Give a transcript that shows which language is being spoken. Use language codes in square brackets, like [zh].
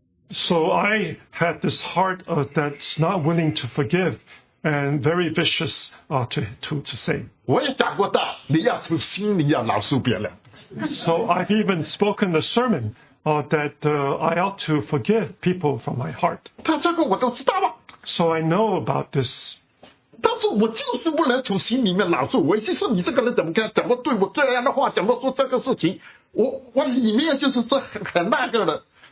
[en] So I had this heart that's not willing to forgive and very vicious to say. [zh] 我也讲过道，你要从心里要饶恕别人。 [en] So I've even spoken the sermon I ought to forgive people from my heart. [zh] 但这个我都知道了。 [en] So I know about this. [zh] 但是我就是不能从心里面拿出，我就说你这个人怎么看，怎么对我这样的话，怎么做这个事情，我里面就是这很那个的。